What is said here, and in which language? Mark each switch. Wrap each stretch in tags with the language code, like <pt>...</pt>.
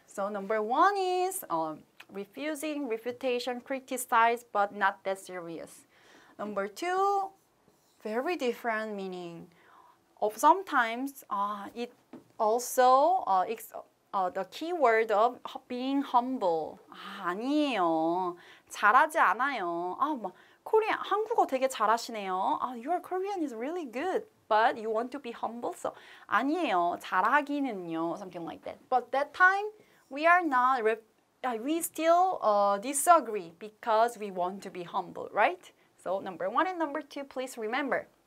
<en>So number one is refusing, refutation, criticize, but not that serious. Number two, very different meaning. Sometimes it also, the keyword of being humble.</en> <ko>아니에요. 잘하지 않아요. 코리안, 한국어 되게 잘하시네요.</ko> <en>Your Korean is really good, but you want to be humble. So,</en> <ko>아니에요. 잘하기는요.</ko> <en>Something like that. But that time, we still disagree because we want to be humble, right? So, number one and number two, please remember.</en>